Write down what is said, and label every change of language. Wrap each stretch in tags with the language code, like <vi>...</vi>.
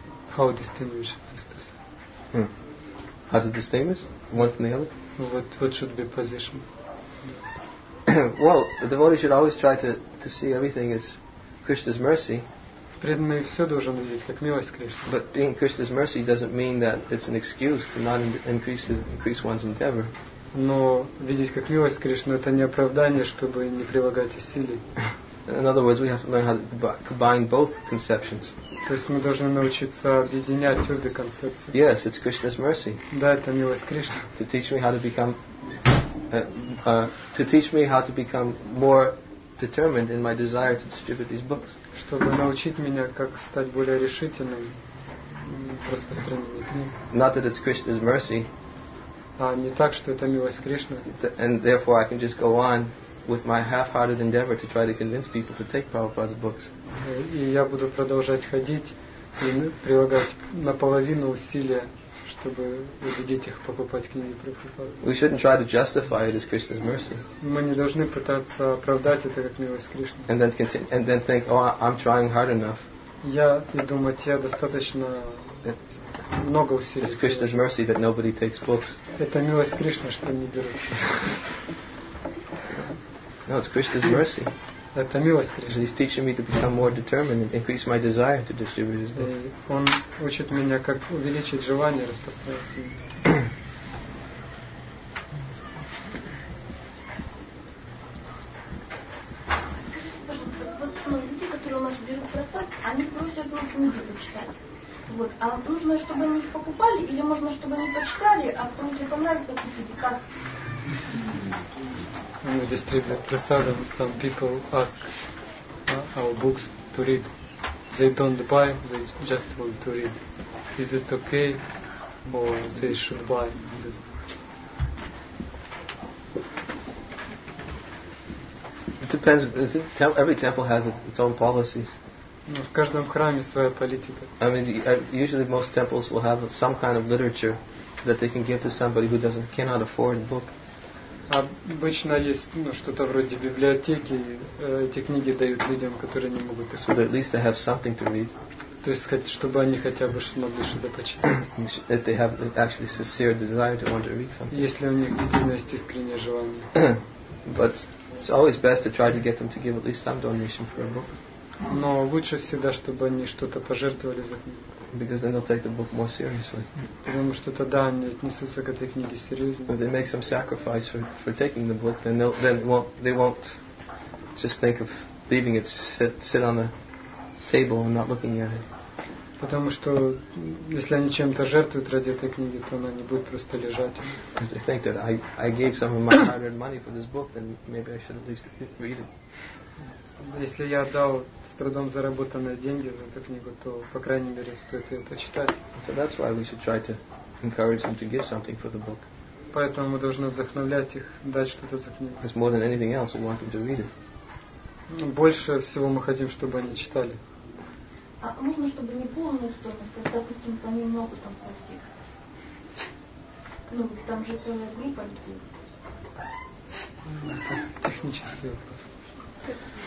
<en>How distinguish this? How to distinguish one from the other? What should be position? Well, the devotee should always try to see everything as Krishna's mercy.</en> <ru>Преданный все должен видеть как милость Кришны.</ru> <en>But being Krishna's mercy doesn't mean that it's an excuse to not increase one's endeavor.</en> <ru>Но видеть как милость Кришны — это не оправдание, чтобы не прилагать усилий.</ru> <en>In other words, we have to learn how to combine both conceptions.</en> <ru>То есть мы должны научиться объединять обе концепции.</ru> <en>Yes, it's Krishna's mercy.</en> <ru>Да, это милость Кришны.</ru> <en>To teach me how to become. To teach me how to become more determined in my desire to distribute these books.</en> <ru>Чтобы научить меня, как стать более решительным в распространении книг.</ru> <en>Not that it's Krishna's mercy.</en> <ru>А не так, что это милость Кришны.</ru> <en>And therefore, I can just go on with my half-hearted endeavor to try to convince people to take Prabhupada's books.</en> <ru>И я буду продолжать ходить и прилагать наполовину усилия, чтобы убедить их покупать книги Прабхупады.</ru> <en>We shouldn't try to justify it as Krishna's mercy.</en> <ru>Мы не должны пытаться оправдать это как милость Кришны.</ru> <en>And then continue, and then think, oh, I'm trying hard enough.</en> <ru>Я и думать, я достаточно много усилий.</ru> <en>It's Krishna's mercy that nobody takes books.</en> <ru>Это милость Кришны, что не берут.</ru> <en>No, it's Krishna's mercy.</en> <ru>Это милость Кришны.</ru> <en>He's teaching me to become more determined and increase my desire to distribute his books.</en> <ru>Он учит меня, как увеличить желание распространять книги. Вот люди, которые у нас берут просад, они просят друг книги почитать. Вот. А нужно, чтобы они их покупали, или можно, чтобы они почитали, а потом тебе понравится книги, как?</ru> <en>When we distribute prasadam, some people ask our books to read. They don't buy, they just want to read. Is it okay or they should buy? It depends. Every temple has its own policies.</en> <ru>В каждом храме своя политика.</ru> <en>I mean, usually most temples will have some kind of literature that they can give to somebody who cannot afford a book.</en> <ru>Обычно есть, ну, что-то вроде библиотеки, эти книги дают людям, которые не могут их.</ru> <en>So that at least they have something to read.</en> <ru>То есть хоть, чтобы они хотя бы смогли что-то почитать.</ru> <en>If they have actually sincere desire to want to read something.</en> <ru>Если у них действительно есть искреннее желание.</ru> <en>But it's always best to try to get them to give at least some donation for a book.</en> <ru>Но лучше всегда, чтобы они что-то пожертвовали за книгу.</ru> <en>Because then they'll take the book more seriously.</en> <ru>Потому что тогда они отнесутся к этой книге серьезно.</ru> <en>If they make some sacrifice for taking the book, then they won't just think of leaving it sit on the table and not looking at it.</en> <ru>Потому что если они чем-то жертвуют ради этой книги, то она не будет просто лежать.</ru> <en>If they think that I gave some of my hard-earned money for this book, then maybe I should at least read it.</en> <ru>Если я отдал с трудом заработанные деньги за эту книгу, то по крайней мере стоит ее почитать.</ru> <en>So that's why we should try to encourage them to give something for the book.</en> <ru>Поэтому мы должны вдохновлять их дать что-то за книгу.</ru> <en>Because more than anything else, we want them to read it.</en> <ru>Больше всего мы хотим, чтобы они читали. А можно, чтобы не полную стоимость, а допустим, понемногу там со всех. Ну, там же целая группа людей. Это технический вопрос.</ru>